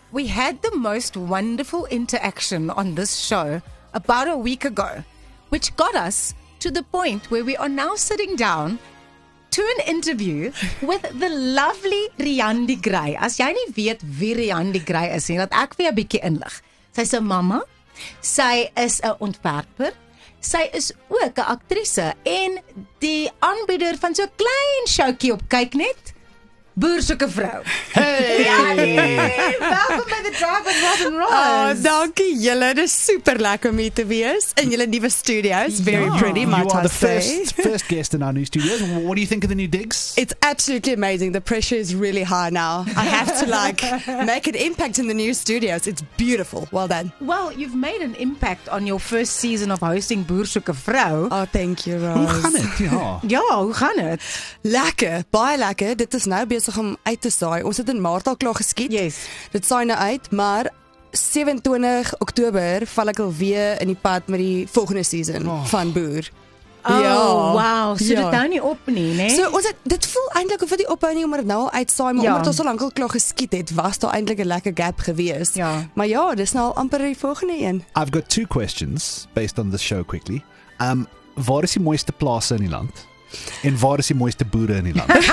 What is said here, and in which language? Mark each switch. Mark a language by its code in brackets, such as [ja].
[en] We had the most wonderful interaction on this show about a week ago, which got us to the point where we are now sitting down to an interview with the lovely Riaan de Grey. [af] As jy nie weet wie Riaan de Grey is, laat ek vir jou 'n bietjie inlig. Sy's 'n mamma, sy is 'n ontwerper. Sy is ook 'n aktrise en die aanbieder van so 'n klein showkie op Kyknet. Boerseke vrou. Hey. Ja, welkom by The Drive with Rob and Roz. Oh, dankie julle. Dit is super lekker om hier te wees in julle nuwe studio. [en] It's very pretty, my You are the first guest in our new studio. What do you think of the new digs? It's absolutely amazing. The pressure is really high now. I have to like make an impact in the new studios. It's beautiful. Well done. Well, you've made an impact on your first season of hosting Boerseke vrou. Oh, thank you, Roz. [af] Hoe gaan dit? Ja, hoe gaan dit? Lekker. Baie lekker. Dit is nou besig om uit te saai. Ons het in Maart al klaar geskiet. [en] Yes. [af] Dit saai nou uit, maar 27 Oktober val ek alweer in die pad met die volgende season van Boer. Oh, ja. Wow. So dit hou nie op nie, né? So ons het, dit voel eintlik of dit ophou nie, maar nou al uitsaai, maar omdat ons so lank al klaar geskiet het, was daar eintlik 'n lekker gap gewees. Ja. Maar ja, dis nou al amper die volgende een. [en] I've got two questions based on the show quickly. [af] Waar is die mooiste plase in die land? En waar is die mooiste boere in die land?